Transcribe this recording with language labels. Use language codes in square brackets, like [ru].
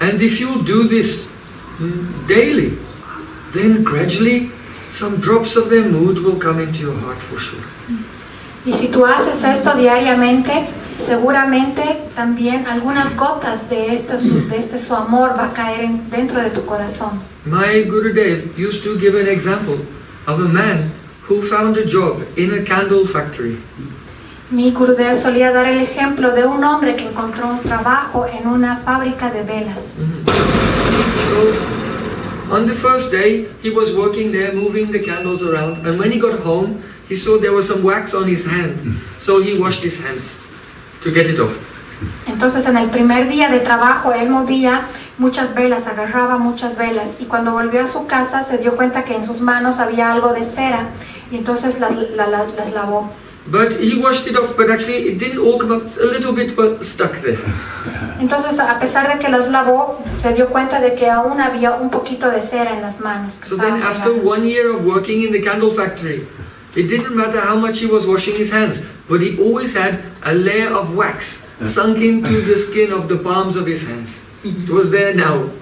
[en] And if you do this daily, then gradually some drops of their mood will come into your heart for sure. [es] Y si tú haces esto diariamente, seguramente también algunas gotas de este su amor va a caer dentro de tu corazón. [en] My Gurudev used to give an example of a man who found a job in a candle factory. [es] Mi Gurudev solía dar el ejemplo de un hombre que encontró un trabajo en una fábrica de velas. [en] So, on the first day, he was working there, moving the candles around, and when he got home, he saw there was some wax on his hand, so he washed his hands to get it off. [es] Entonces en el primer día de trabajo él movía muchas velas, agarraba muchas velas, y cuando volvió a su casa se dio cuenta que en sus manos había algo de cera, y entonces las lavó. [en] But he washed it off, but actually it didn't all come up, a little bit but stuck there. [es] Entonces a pesar de que las lavó, se dio cuenta de que aún había un poquito de cera en las manos. [en] So then after 1 year of working in the candle factory, it didn't matter how much he was washing his hands, but he always had a layer of wax sunk into the skin of the palms of his hands. It was there now.